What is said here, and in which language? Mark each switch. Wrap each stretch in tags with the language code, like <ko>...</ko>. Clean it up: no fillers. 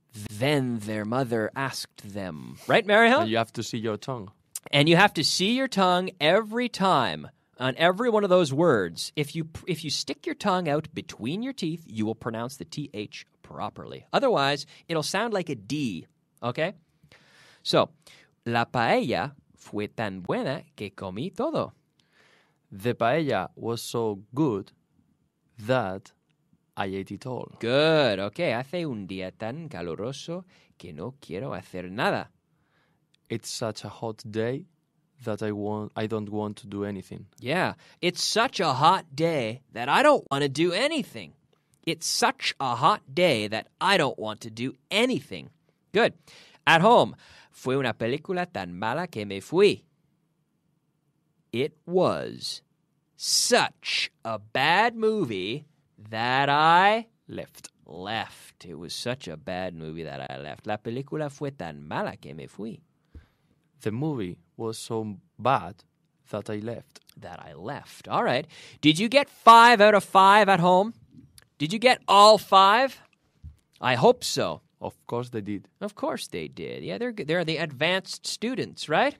<en>Then their mother asked them. Right, Mario? You have to see your tongue. And you have to see your tongue every time. On every one of those words, if you stick your tongue out between your teeth, you will pronounce the TH properly. Otherwise, it'll sound like a D, okay? So,</en> <es>la paella fue tan buena que comí todo.</es> <en>The paella was so good that I ate it all. Good, okay.</en> <es>Hace un día tan caluroso que no quiero hacer nada.</es> <en>It's such a hot day that I don't want to do anything. Yeah, it's such a hot day that I don't want to do anything. It's such a hot day that I don't want to do anything. Good. At home,</en> <es>fue una película tan mala que me fui.</es> <en>It was such a bad movie that I left. It was such a bad movie that I left.</en> <es>La película fue tan mala que me fui.</es> <en>The movie was so bad that I left. That I left. All right. Did you get 5 out of 5 at home? Did you get all 5? I hope so. Of course they did. Of course they did. Yeah, they're the advanced students, right?</en>